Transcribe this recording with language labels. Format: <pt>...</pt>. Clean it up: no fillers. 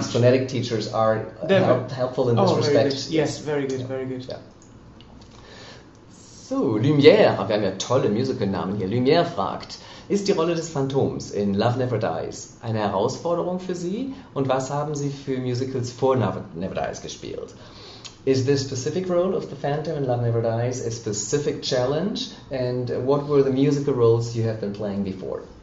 <en>These phonetic teachers are helpful in this respect. Very good. Yes, very good, yeah. Very good. Yeah.</en> <de>So, Lumière, wir haben ja tolle Musical-Namen hier. Lumière fragt: Ist die Rolle des Phantoms in Love Never Dies eine Herausforderung für Sie? Und was haben Sie für Musicals vor Love Never Dies gespielt?</de> <en>Is this specific role of the Phantom in Love Never Dies a specific challenge? And what were the musical roles you have been playing before?</en>